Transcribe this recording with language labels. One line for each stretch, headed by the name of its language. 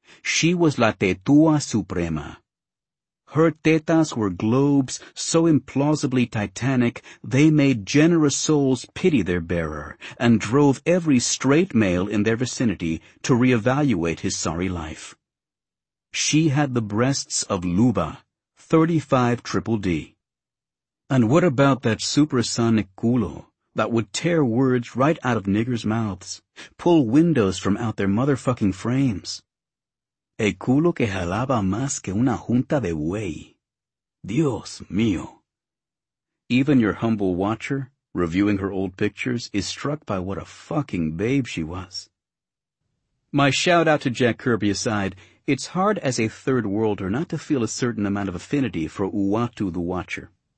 English: She was
Spanish: la tetua suprema.
English: Her tetas were globes so implausibly titanic they made generous souls pity their bearer and drove every straight male in their vicinity to reevaluate his sorry life. She had the breasts of Luba, 35DDD. And what about that supersonic culo that would tear words right out of niggers' mouths, pull windows from out their motherfucking frames?
Spanish: El culo que jalaba más que una junta de buey. Dios mío.
English: Even your humble watcher, reviewing her old pictures, is struck by what a fucking babe she was. My shout out to Jack Kirby aside, it's hard as a third worlder not to feel a certain amount of affinity for Uatu the Watcher.